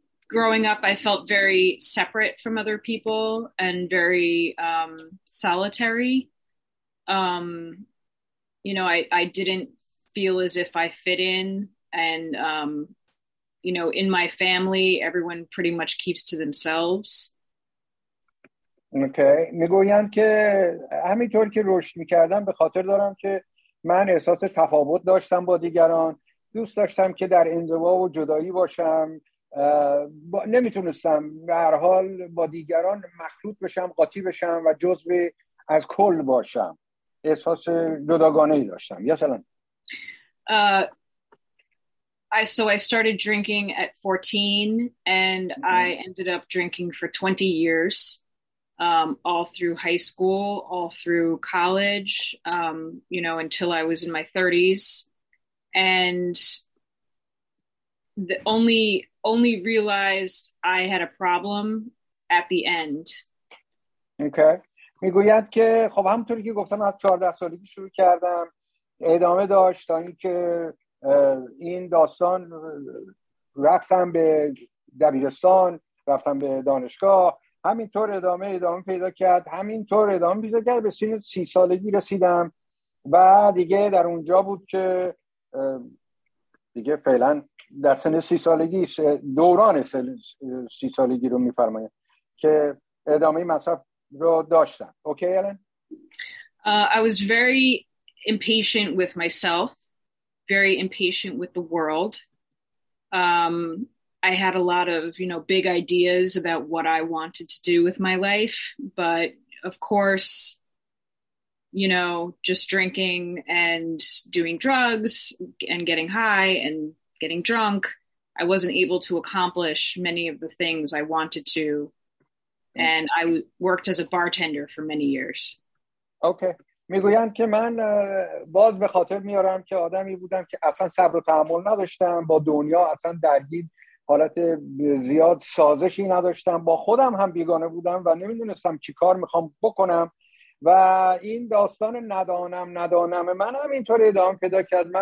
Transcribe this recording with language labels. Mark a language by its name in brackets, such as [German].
[English] Growing up, I felt very separate from other people and very solitary. You know, I didn't feel as if I fit in, and you know, in my family, everyone pretty much keeps to themselves. [Persian] Okay, میگویند که همینطور که رشد میکردم به خاطر دارم که من احساس تفاوت داشتم با دیگران، دوست داشتم که در انزوا و جدایی باشم، نمیتونستم به هر حال با دیگران مخلوط بشم، قاطی بشم و جزو از کل باشم. احساس جداگانه‌ای داشتم. یا سلام. [English] I started drinking at 14 and I ended up drinking for 20 years, all through high school, all through college, you know, until I was in my 30s. And the only realized I had a problem at the end. Okay. [Persian] میگوید که خب همونطوری که گفتم از 14 سالگی شروع کردم، ادامه داشت تا اینکه این داستان، رفتم به دبیرستان، رفتم به دانشگاه، همینطور ادامه پیدا کرد، همینطور ادامه پیدا کرد، به سن 30 سالگی رسیدم و دیگه در اونجا بود که دیگه فعلا در سن 30 سالگی، دوران 30 سالگی رو میفرماید که ادامه مصرف رو داشتم. اوکی الان. [English] I was very impatient with myself, very impatient with the world. I had a lot of, you know, big ideas about what I wanted to do with my life, but of course, you know, just drinking and doing drugs and getting high and getting drunk, I wasn't able to accomplish many of the things I wanted to. And I worked as a bartender for many years. Okay. [Persian] میگویند که من باز به خاطر میارم که آدمی بودم که اصلا صبر و تحمل نداشتم با دنیا، اصلا درگیر حالت زیاد سازشی نداشتم، با خودم هم بیگانه بودم و نمیدونستم چی کار میخوام بکنم و این داستان ندانم من هم اینطور ادامه پیدا کرد.